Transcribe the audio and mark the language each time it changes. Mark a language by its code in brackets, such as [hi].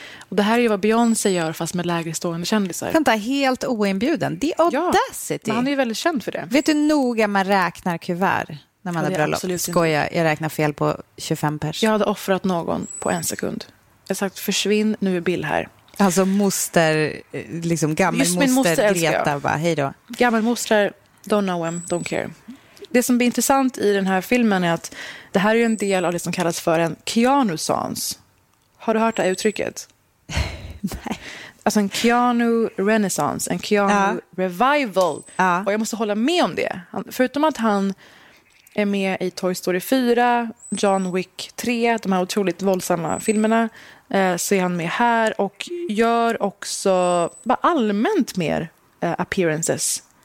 [sv] Och det här är ju vad Beyoncé gör fast med lägre stående kändisar. Vänta, helt oinbjuden? Det är audacity. Ja, han är ju väldigt känd för det. Vet du noga man räknar kuvert när man har bröllop? Skoja, jag räknar fel på 25 personer. Jag hade offrat någon på en sekund. Jag sagt, försvinn, nu är Bill här. Alltså moster, liksom gammel just moster, min moster Greta, va? Hej då. Gammel moster, [en] don't know him, don't care. [sv] Det som blir intressant i den här filmen är att det här är ju en del av det som kallas för en Keanu-sans. Har du hört det här uttrycket? Nej. Alltså en Keanu-renaissance, en Keanu-revival. Ja. Och jag måste hålla med om det. Förutom att han är med i Toy Story 4, John Wick 3, de här otroligt våldsamma filmerna, så är han med här och gör också bara allmänt mer appearances.